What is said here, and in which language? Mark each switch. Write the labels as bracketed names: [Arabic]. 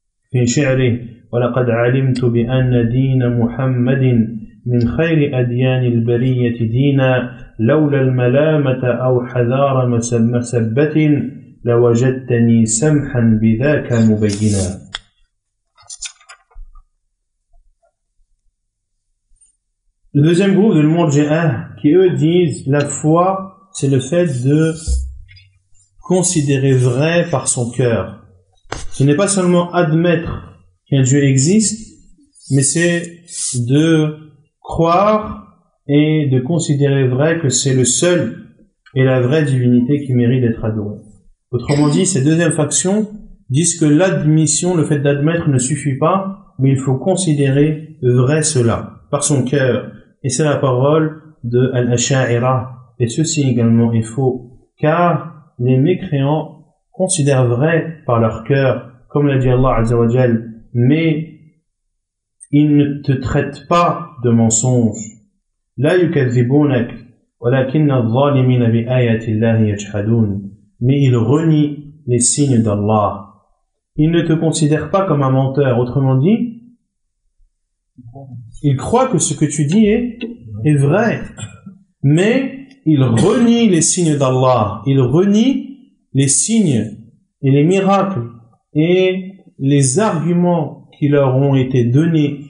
[Arabic] في شعره ولقد علمت بأن دين محمد من خير أديان البرية دينا لولا الملامة أو حذار مسبة لوجدتني سمحا بذاك مبينا. [French] Le deuxième groupe de Murji'ah qui eux disent la foi c'est le fait de considérer vrai par son cœur. Ce n'est pas seulement admettre qu'un Dieu existe, mais c'est de croire et de considérer vrai que c'est le seul et la vraie divinité qui mérite d'être adorée. Autrement dit, ces deuxièmes factions disent que l'admission, le fait d'admettre ne suffit pas, mais il faut considérer vrai cela, par son cœur. Et c'est la parole de Al-Asha'ira. Et ceci également est faux, car les mécréants considèrent vrai par leur cœur, comme l'a dit Allah Azza wa Jal, mais ils ne te traitent pas de mensonge. [Arabic] لا يكذبونك ولكن الظالمين بآيات الله يجحدون. [French] Mais ils renient les signes d'Allah. Ils ne te considèrent pas comme un menteur. Autrement dit, ils croient que ce que tu dis est vrai. Mais ils renient les signes d'Allah. Ils renient les signes et les miracles et les arguments qui leur ont été donnés.